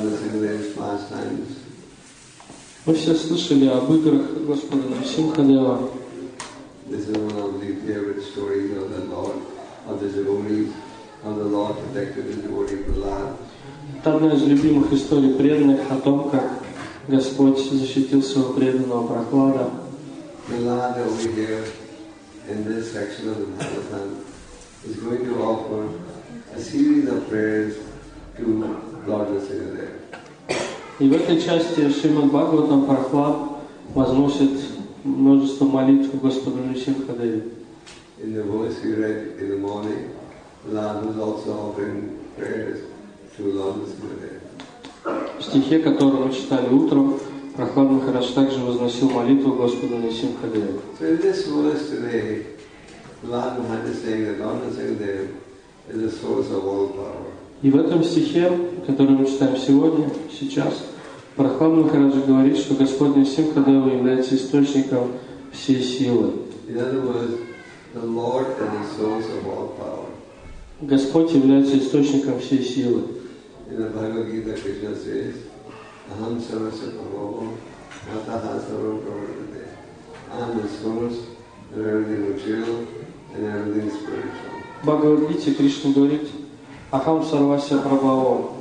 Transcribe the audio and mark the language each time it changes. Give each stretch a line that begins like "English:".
Russian: Мы все слышали об играх Господа Нарисимхадева.
English: This is one of the favorite stories of the Lord, of the devotees, of the Lord protected the devotee Prahlad.
Russian: Это одна из любимых историй преданных о том, как Господь защитил своего преданного Прахлада.
English: Prahlad over here in this section of the Bhagavatam is going to offer a series of prayers to Lord Vasudeva.
Russian: И в этой части Шримад Бхагаватам Прахлад возносит множество молитв Господу Нарисимхадеве.
English: In the verse we read in the morning, Prahlad was also offering prayers to Lord Vasudeva.
Russian: В стихе, который мы читали утром, Прахлад Махарадж также возносил молитву Господу Нарисимхадеве.
English: So in this verse today, Prahlad Махарадж is saying that Lord Vasudeva is the source of all power.
Russian: И в этом стихе, который мы читаем сегодня, сейчас, Прахлад Махарадж говорит, что Господь Нарисимхадева является источником всей силы.
English: In other words, the Lord is the source of all power.
Russian: Господь является источником всей силы.
English: In the Bhagavad Gita, Krishna says,
Sanskrit: Aham sarasya bhavam, ataha sarvam pravartate.
English: I am the source of everything material and everything spiritual.
Russian: Bhagavad Gita, Krishna говорит,
Sanskrit: Ахам сарвасья прабхавом.